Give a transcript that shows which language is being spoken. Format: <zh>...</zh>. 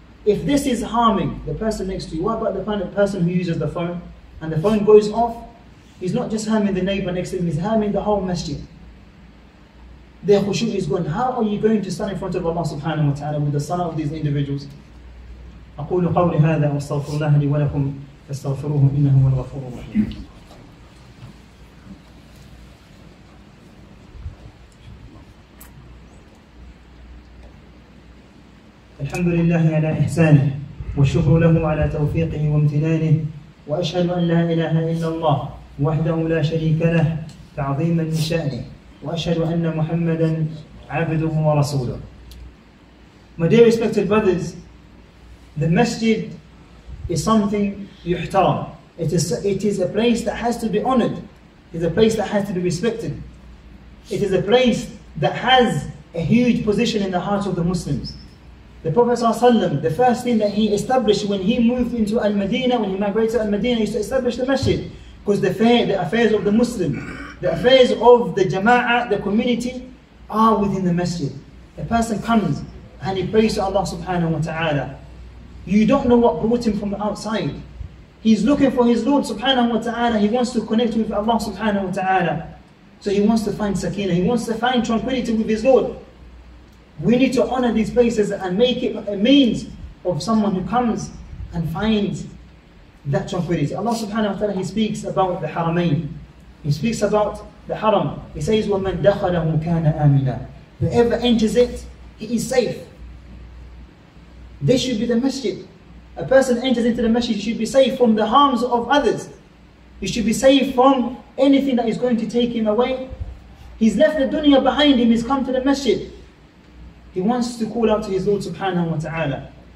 <en>If this is harming the person next to you, what about the person who uses the phone and the phone goes off? He's not just harming the neighbor next to him, he's harming the whole masjid. Their khushu is gone. How are you going to stand in front of Allah subhanahu wa ta'ala with the salah of these individuals?</en> <ar>أقول قولي هذا واستغفر الله لي ولكم فاستغفروه إنه هو الغفور الرحيم. الحمد لله على إحسانه والشكر له على توفيقه وامتنانه وأشهد أن لا إله إلا الله وحده لا شريك له تعظيما لشأنه وأشهد أن محمدا عبده ورسوله.</ar> <en>My dear respected brothers, the masjid is something yuhtaram. It is a place that has to be honored. It is a place that has to be respected. It is a place that has a huge position in the hearts of the Muslims. The Prophet ﷺ, the first thing that he established when he moved into Al-Madinah, when he migrated to Al-Madinah, is to establish the masjid. Because the affairs of the Muslim, the affairs of the jama'ah, the community, are within the masjid. A person comes and he prays to Allah subhanahu wa ta'ala. You don't know what brought him from outside. He's looking for his Lord subhanahu wa ta'ala. He wants to connect with Allah subhanahu wa ta'ala. So he wants to find sakina. He wants to find tranquility with his Lord. We need to honor these places and make it a means of someone who comes and finds that tranquility. Allah subhanahu wa ta'ala, he speaks about the haramain. He speaks about the haram. He says,</en> <ar>وَمَنْ دَخَلَهُ كَانَ آمِنًا.</ar> <en>Whoever enters it, he is safe. This should be the masjid. A person enters into the masjid, he should be safe from the harms of others. He should be safe from anything that is going to take him away. He's left the dunya behind him, he's come to the masjid. He wants to call out to his Lord subhanahu wa ta'ala.</en>